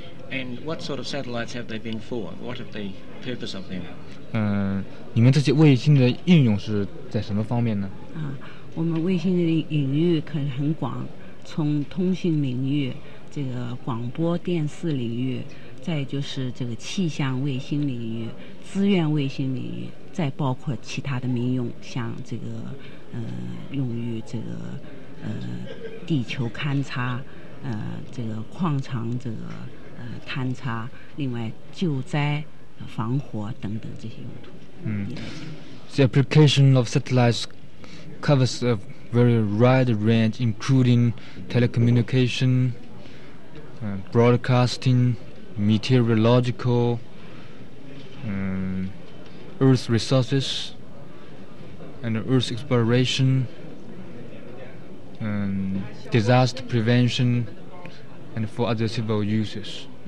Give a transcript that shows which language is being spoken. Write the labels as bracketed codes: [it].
[en] And what sort of satellites have they been for? What is the purpose of them? [zh] 你们这些卫星的应用是在什么方面呢？我们卫星的领域可是很广。从通信领域，这个广播电视领域，再就是这个气象卫星领域、资源卫星领域，再包括其他的民用，像这个用于这个地球勘察，这个矿场这个勘察，另外救灾、防火等等这些用途。 [en] The application of satellites covers a very wide range, including telecommunication, broadcasting, meteorological, earth resources, and earth exploration, disaster prevention, and for other civil uses.